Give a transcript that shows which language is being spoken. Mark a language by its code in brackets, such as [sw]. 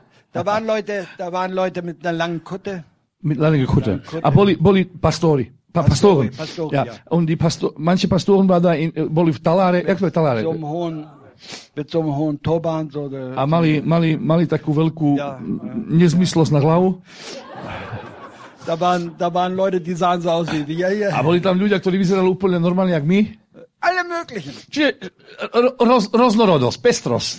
[de] Da waren Leute mit einer langen Kutte. Mit einer langen Kutte. [sk] Boli pastori. [de] Pastoren. [sk] Pastori, ja. [de] Und die manche Pastoren waren da in, [sk] boli v Talare. Jak to je Talare? [de] Mit so einem hohen Turban. So [sk] a mali takú veľkú nezmyslosť na hlavu. [de] Da waren Leute, die sahen so aus wie wir. [sk] A boli tam ľudia, ktorí vyzerali úplne normálne, jak my. [de] Alle möglichen. [sk] Čiže roznorodosť, pestrosť.